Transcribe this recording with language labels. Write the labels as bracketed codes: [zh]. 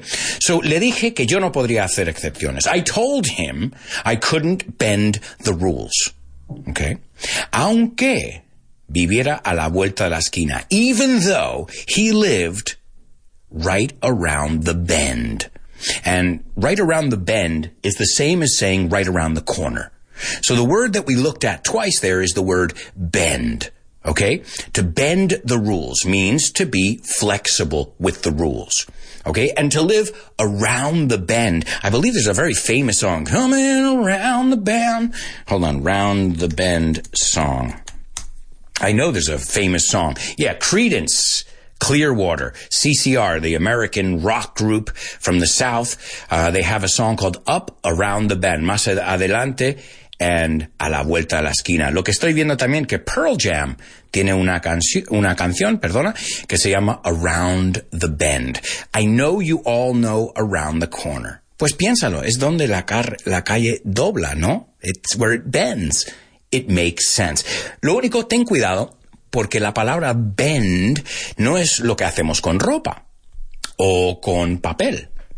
[es] So, le dije que yo no podría hacer excepciones. [en] I told him I couldn't bend the rules, okay? [es] Aunque viviera a la vuelta de la esquina, [en] even though he lived right around the bend. And right around the bend is the same as saying right around the corner. So the word that we looked at twice there is the word bend, okay? To bend the rules means to be flexible with the rules, okay? And to live around the bend. I believe there's a very famous song, coming around the bend. Hold on, round the bend song. I know there's a famous song. Yeah, Creedence Clearwater, CCR, the American rock group from the South. They have a song called Up Around the Bend, [es] Más Adelante [en] and [es] A la Vuelta a la Esquina. Lo que estoy viendo también que Pearl Jam tiene una canción, que se llama Around the Bend. [en] I know you all know Around the Corner. [es] Pues piénsalo, es donde la calle dobla, ¿no? [en] It's where it bends. It makes sense. [es] Lo único, ten cuidado, porque la palabra bend no es lo que hacemos con ropa o con papel.